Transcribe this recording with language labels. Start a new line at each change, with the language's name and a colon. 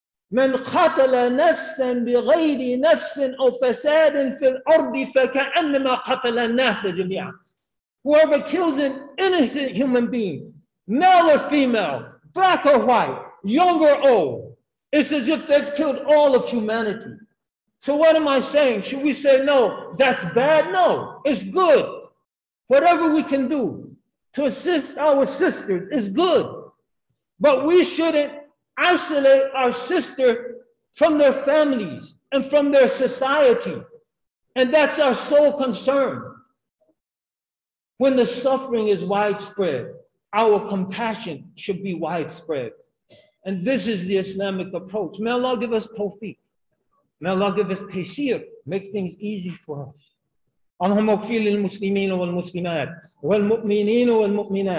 Arabic: من قتل نفسا بغير نفس أو فساد في الأرض فكأنما قتل الناس جميعا.
English: Whoever kills an innocent human being, male or female, black or white, young or old, it's as if they've killed all of humanity. So what am I saying? Should we say no, that's bad? No, it's good. Whatever we can do to assist our sisters is good. But we shouldn't isolate our sister from their families and from their society. And that's our sole concern. When the suffering is widespread, our compassion should be widespread. And this is the Islamic approach. May Allah give us tawfiq. May Allah give us tayseer. Make things easy for us.
Arabic: اللهم اغفر للمسلمين والمسلمات والمؤمنين والمؤمنات.